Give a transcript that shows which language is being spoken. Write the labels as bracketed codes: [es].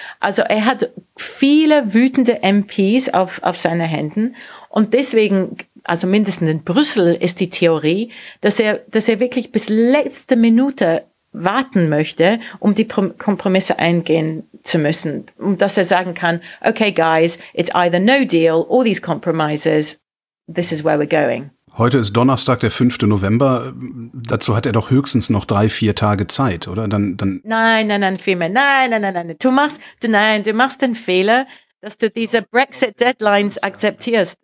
[de] Also er hat viele wütende MPs auf seine Händen. Und deswegen, also mindestens in Brüssel ist die Theorie, dass er wirklich bis letzte Minute warten möchte, um die Kompromisse eingehen zu müssen. Um dass er sagen kann, [en] okay guys, it's either no deal, all these compromises, this is where we're going. [de] Heute ist Donnerstag, der 5. November. Dazu hat er doch höchstens noch 3-4 Tage Zeit, oder? Dann Nein, viel mehr. Nein. Du machst den Fehler, dass du diese Brexit-Deadlines akzeptierst.